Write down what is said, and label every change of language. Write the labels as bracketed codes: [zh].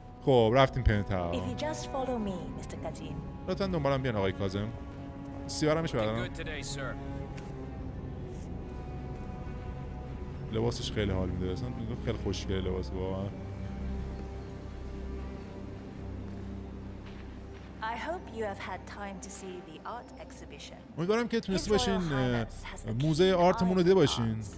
[fa] خب رفتیم پنتاو. [en] If you just follow me, Mr. Kazim. [fa] لطفاً دنبالم بیان آقای کاظم. سیارمش بردارم. لباسش خیلی حال میده. اصلا خیلی خوشگله لباس واقعا. [en] I hope you have had time to see the art exhibition. [fa] امیدوارم که تونسته باشین موزه آرتمون رو دیده باشین.